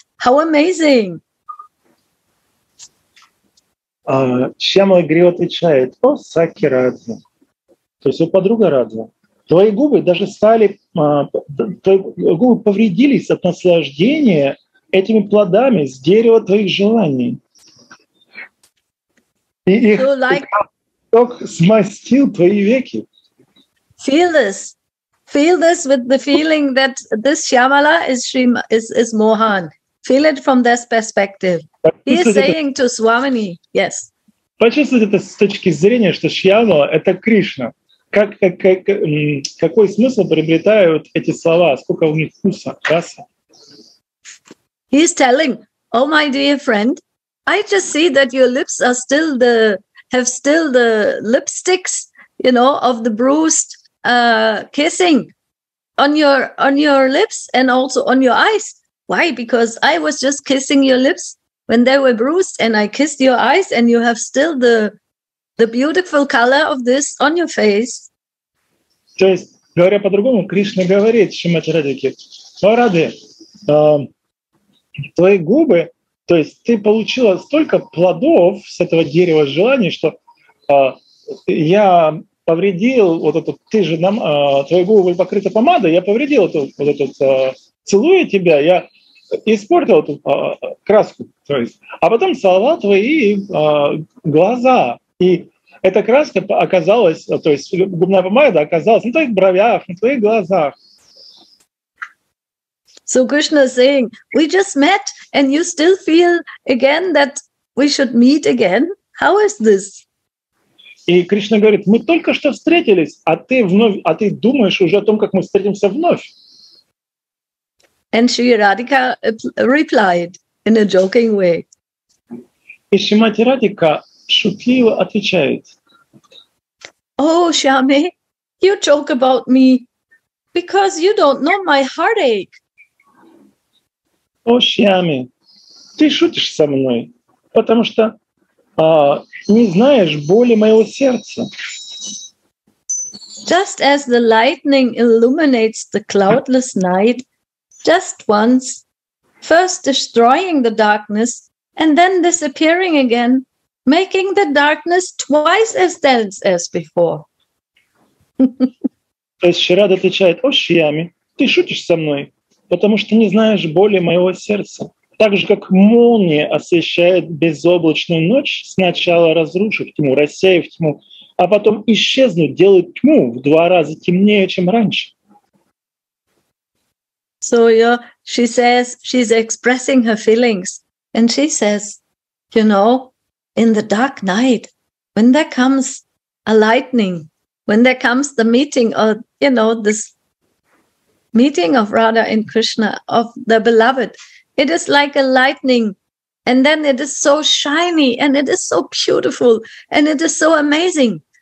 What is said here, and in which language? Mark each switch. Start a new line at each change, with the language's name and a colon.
English: How amazing!
Russian: Шьямала игриво отвечает, о, Сакхи Радха, то есть у подруга Радха, твои губы даже стали, твои губы повредились от наслаждения этими плодами с дерева твоих желаний. И их сок смастил твои веки.
English: Feel this with the feeling that this Shyamala is Mohan. Feel it from this perspective. He is saying to Swamini, yes.
Russian: Почувствовать это с точки зрения, что Шьямала — это Кришна. Какой смысл приобретают эти слова? Сколько у них вкуса, раса?
English: He is telling, oh, my dear friend, I just see that your lips are still the, have still the lipsticks, you know, of the bruised kissing on your lips and also on your eyes. Why? Because I was just kissing your lips when they were bruised, and I kissed your eyes, and you have still the beautiful color of this on your face.
Russian: То есть, говоря по-другому, Кришна говорит Шримати Радике, о, Раде, твои губы, то есть ты получила столько плодов с этого дерева желаний, что я повредил вот эту, ты же нам, твои губы покрыты помадой, я повредил эту, вот эту, целую тебя, я испортил эту краску. То есть. А потом целовал твои глаза, и эта краска оказалась, то есть губная помада оказалась на твоих бровях, на твоих глазах.
English: So Krishna is saying, we just met and you still feel again that we should meet again? How is this?
Russian: И Кришна говорит, мы только что встретились, а ты вновь, а ты думаешь уже о том, как мы встретимся вновь?
English: And Sri Radhika replied in a joking way.
Russian: И Шримати Радика шутливо отвечает.
English: Oh, Shyame, you joke about me because you don't know my heartache.
Russian: О, Шьяме, ты шутишь со мной, потому что не знаешь боли моего сердца.
English: Just as the lightning illuminates the cloudless night, just once, first destroying the darkness and then disappearing again, making the darkness twice as dense as before.
Russian: То есть Шрада отвечает, о, Шьяме, ты шутишь со мной, потому что не знаешь боли моего сердца. Так же, как молния освещает безоблачную ночь, сначала разрушив тьму, рассеяв тьму, а потом исчезнув, делает тьму в два раза темнее, чем раньше.
English: So, yeah, she says, she's expressing her feelings, and she says, you know, in the dark night, when there comes a lightning, when there comes the meeting, or, you know, this meeting of Radha and Krishna, of the beloved, it is like a lightning, and then it is so shiny, and it is so beautiful, and it is so amazing.